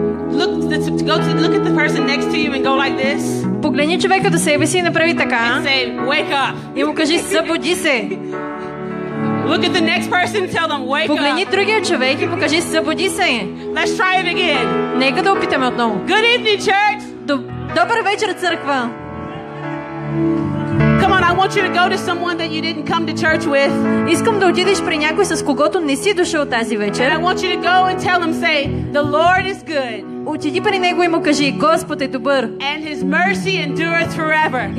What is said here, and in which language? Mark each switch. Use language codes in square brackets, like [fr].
[en] Look at the person next to you and go like this. [bg] Погледни човека до себе си и направи така. [en] And say, wake up. [bg] И му кажи, събуди се. [en] Look at the next person and tell them, wake up. [bg] Погледни другия човек и му кажи, събуди се. [en] Let's try it again. [bg] Нека да опитаме отново. [en] Good evening, church. [bg] Добър вечер, църква. [en] Come on, I want you to go to someone that you didn't come to church with. [bg] Искам да отидеш при някой, с когото не си дошъл тази вечер. [en] And I want you to go and tell them, say, the Lord is good. [bg] Отиди при него и му кажи, Господ е добър. [en] And his mercy endureth forever.